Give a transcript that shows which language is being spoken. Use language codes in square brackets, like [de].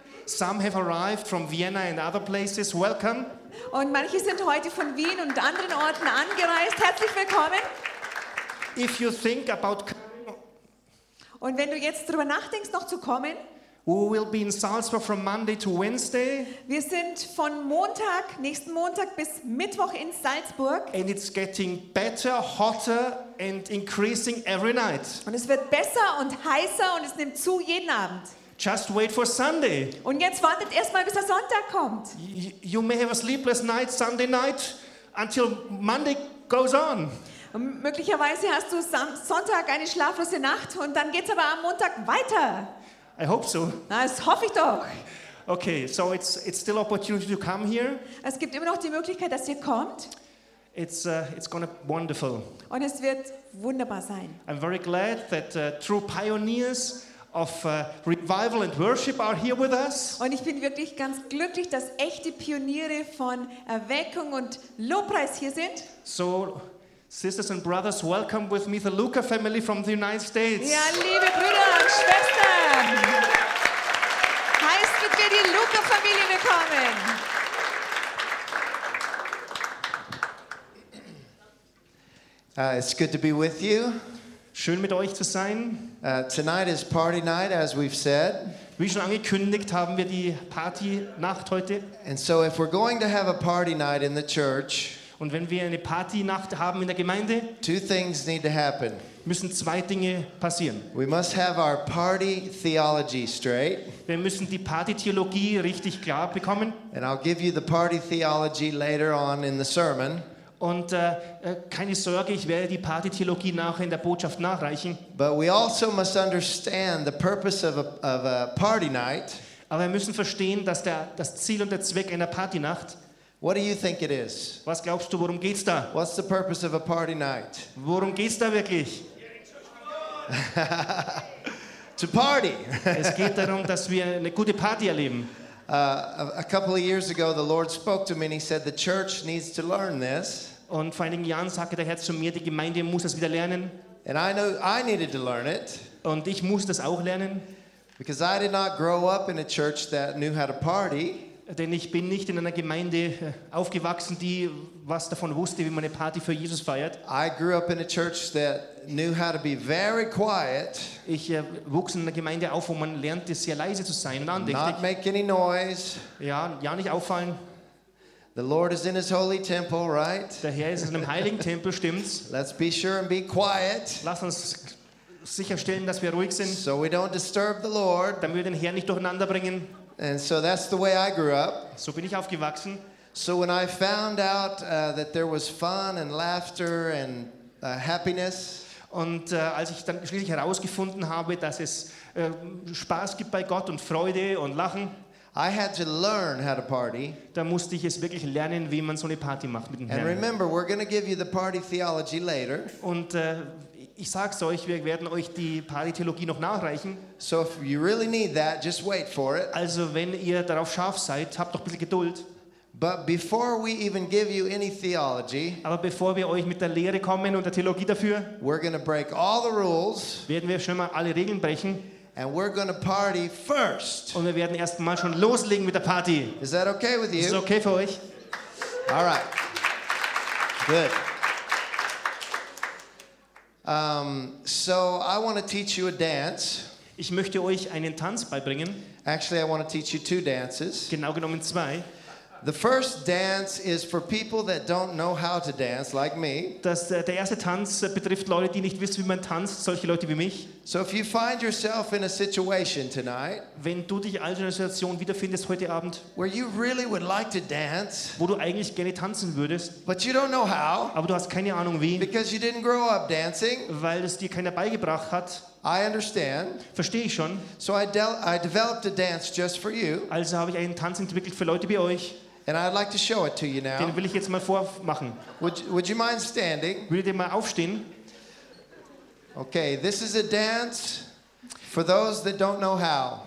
[en] Some have arrived from Vienna and other places. Welcome. [de] Und manche sind heute von Wien und anderen Orten angereist. Herzlich willkommen. [en] If you think about [de] Und wenn du jetzt drüber nachdenkst, noch zu kommen, [en] we will be in Salzburg from Monday to Wednesday. [de] Wir sind von Montag, nächsten Montag bis Mittwoch in Salzburg. [en] And it's getting better, hotter and increasing every night. [de] Und es wird besser und heißer und es nimmt zu jeden Abend. [en] Just wait for Sunday. [de] Und jetzt wartet erstmal, bis der Sonntag kommt. [en] You may have a sleepless night Sunday night until Monday goes on. [de] Und möglicherweise hast du Sonntag eine schlaflose Nacht und dann geht's aber am Montag weiter. [en] I hope so. [de] Das hoffe ich doch. [en] Okay, so it's still opportunity to come here. [de] Es gibt immer noch die Möglichkeit, dass ihr kommt. [en] It's gonna be wonderful. [de] Und es wird wunderbar sein. [en] I'm very glad that true pioneers of revival and worship are here with us. [de] Und ich bin wirklich ganz glücklich, dass echte Pioniere von Erweckung und Lobpreis hier sind. [en] So, sisters and brothers, welcome with me the Luca family from the United States. [de] Ja, liebe Brüder und Schwestern, heißt mit mir die Luca-Familie willkommen. [en] It's good to be with you. [de] Schön mit euch zu sein. [en] Tonight is party night, as we've said. [de] Wie schon angekündigt, haben wir die Partynacht heute. [en] And so if we're going to have a party night in the church, [de] und wenn wir eine Partynacht haben in der Gemeinde, [en] two things need to happen. [de] Müssen zwei Dinge passieren. [en] We must have our party theology straight. [de] Wir müssen die Partytheologie richtig klar bekommen. [en] And I'll give you the party theology later on in the sermon. [de] Und keine Sorge, ich werde die Partytheologie nachher in der Botschaft nachreichen. [en] But we also must understand the purpose of a party night. [de] Aber wir müssen verstehen, dass das Ziel und der Zweck einer Partynacht. [en] What do you think it is? [de] Was glaubst du, worum geht's da? [en] What's the purpose of a party night? [de] Worum geht's da wirklich? [en] To party. [de] Es geht darum, dass wir eine gute Party erleben. [en] A couple of years ago, the Lord spoke to me and he said, the church needs to learn this. [de] Und vor einigen Jahren sagte der Herr zu mir, die Gemeinde muss das wieder lernen. [en] And I know I needed to learn it. [de] Und ich muss das auch lernen. [en] Because I did not grow up in a church that knew how to party. [de] Denn ich bin nicht in einer Gemeinde aufgewachsen, die was davon wusste, wie man eine Party für Jesus feiert. [en] I grew up in a church that knew how to be very quiet. [de] Ich wuchs in einer Gemeinde auf, wo man lernte, sehr leise zu sein und andächtig. [en] Not make any noise. [de] Ja, nicht auffallen. [en] The Lord is in his holy temple, right? [de] Der Herr ist in einem heiligen Tempel, stimmt's? [en] Let's be sure and be quiet. [de] Lass uns sicherstellen, dass wir ruhig sind. [en] So we don't disturb the Lord. [de] Damit wir den Herrn nicht durcheinander bringen. [en] And so that's the way I grew up. [de] So bin ich aufgewachsen. [en] So when I found out that there was fun and laughter and happiness, [de] und als ich dann schließlich herausgefunden habe, dass es Spaß gibt bei Gott und Freude und Lachen, [en] I had to learn how to party. [de] Da musste ich es wirklich lernen, wie man so eine Party macht mit dem [en] and [de] Herrn. [en] And remember, we're going to give you the party theology later. [de] Und Ich sag's euch, wir werden euch die Paritheologie noch nachreichen. [en] So if you really need that, just wait for it. [de] Also wenn ihr darauf scharf seid, habt doch ein bisschen Geduld. [en] But before we even give you any theology, [de] aber bevor wir euch mit der Lehre kommen und der Theologie dafür, [en] we're going to break all the rules, [de] werden wir schon mal alle Regeln brechen. [en] And we're going to party first. [de] Und wir werden erst mal schon loslegen mit der Party. [en] Is that okay with you? [de] Ist das okay für euch? [en] All right. Good. So I want to teach you a dance. [de] Ich möchte euch einen Tanz beibringen. [en] Actually, I want to teach you two dances. [de] Genau genommen zwei. [en] The first dance is for people that don't know how to dance, like me. [de] Der erste Tanz betrifft Leute, die nicht wissen, wie man tanzt, solche Leute wie mich. [en] So if you find yourself in a situation tonight, [de] wenn du dich also in einer Situation wiederfindest heute Abend, [en] where you really would like to dance, [de] wo du eigentlich gerne tanzen würdest, [en] but you don't know how, [de] aber du hast keine Ahnung wie, [en] because you didn't grow up dancing, [de] weil es dir keiner beigebracht hat. [en] I understand. [de] Verstehe ich schon. [en] So I developed a dance just for you. [de] Also habe ich einen Tanz entwickelt für Leute wie euch. [en] And I'd like to show it to you now. [de] Den will ich jetzt mal vormachen. [en] Would you mind standing? [de] Würdet ihr mal aufstehen? [en] Okay, this is a dance for those that don't know how.